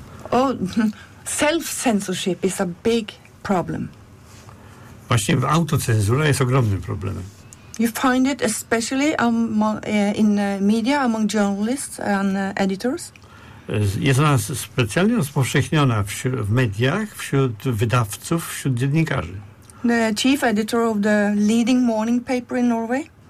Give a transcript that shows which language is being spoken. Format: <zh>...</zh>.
<en>Oh, self-censorship is a big problem.</en> <pl>Właśnie autocenzura jest ogromnym problemem.</pl> <en>You find it especially in media, among journalists and editors?</en> <pl>Jest ona specjalnie rozpowszechniona w mediach, wśród wydawców, wśród dziennikarzy.</pl> <en>The chief editor of the leading morning paper in Norway.</en>